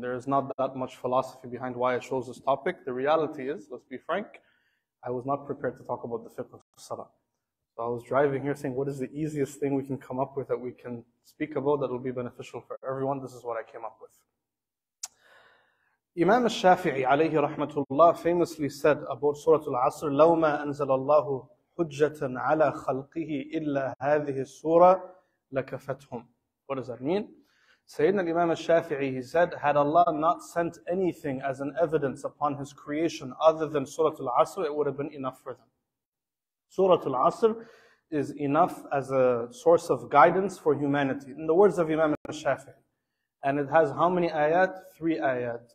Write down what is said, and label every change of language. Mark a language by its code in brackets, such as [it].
[en] There is not that much philosophy behind why I chose this topic. The reality is, let's be frank, I was not prepared to talk about the fiqh of salah. So I was driving here saying, what is the easiest thing we can come up with that we can speak about that will be beneficial for everyone? This is what I came up with. Imam al-Shafi'i alayhi rahmatullah famously said about Surah Al-Asr, [ar] لو ما أنزل الله حجة على خلقه إلا هذه السورة لكفتهم. [en] What does that mean? Sayyidina Imam al-Shafi'i, he said, had Allah not sent anything as an evidence upon his creation other than Surah Al-Asr, it would have been enough for them. Surah Al-Asr is enough as a source of guidance for humanity. In the words of Imam al-Shafi'i, and it has how many ayat? 3 ayat.